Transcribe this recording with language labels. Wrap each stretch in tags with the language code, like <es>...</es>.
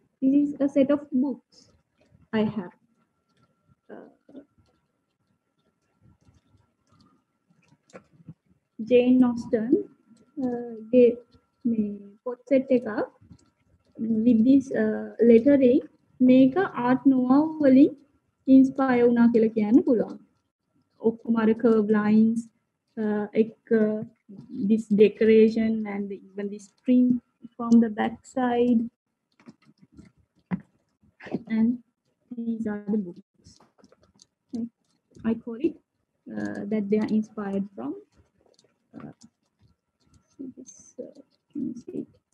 <en>This is a set of books I have. Jane Austen gave me pot set එක with this lettering.</en> <si>මේක art nouveau වලින් inspire වුණා කියලා කියන්න පුළුවන්. ඔක්කොම අර</si> <en>curve lines එක this decoration and even this print from the back side, and these are the books. Okay. I call it that they are inspired from this, can you see it?</en>